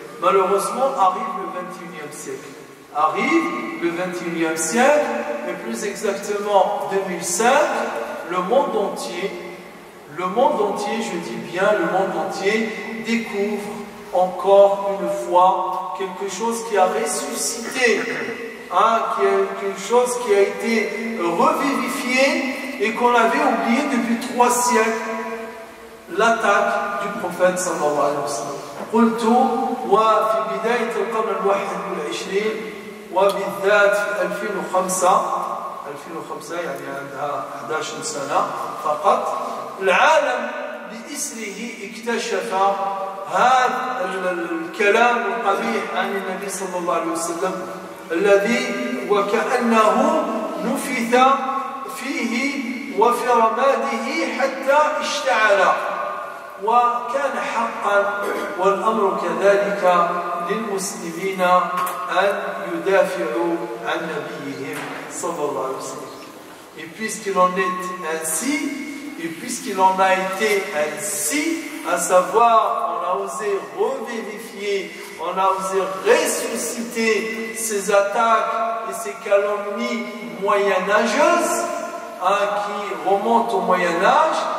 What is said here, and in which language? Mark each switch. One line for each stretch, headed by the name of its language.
French: Malheureusement, arrive le 21e siècle. Arrive le 21e siècle, et plus exactement 2005, le monde entier, je dis bien le monde entier, découvre encore une fois quelque chose qui a ressuscité, hein, quelque chose qui a été revivifié et qu'on avait oublié depuis 3 siècles. L'attaque du prophète sallallahu alayhi wa sallam.
Arabic: قلت وفي بداية القرن الواحد والعشرين وبالذات في 2005 يعني عندها 11 سنة فقط العالم بإسره اكتشف هذا الكلام القبيح عن النبي صلى الله عليه وسلم الذي وكأنه نفث فيه وفي رماده حتى اشتعل وكان حقا والأمر كذلك للمسلمين أن يدافعوا عن نبيهم صلى الله عليه وسلم.
French: Et puisqu'il en est ainsi, et puisqu'il en a été ainsi, à savoir, on a osé revivifier, on a osé ressusciter ces attaques et ces calomnies moyenâgeuses, hein, qui remontent au Moyen Âge.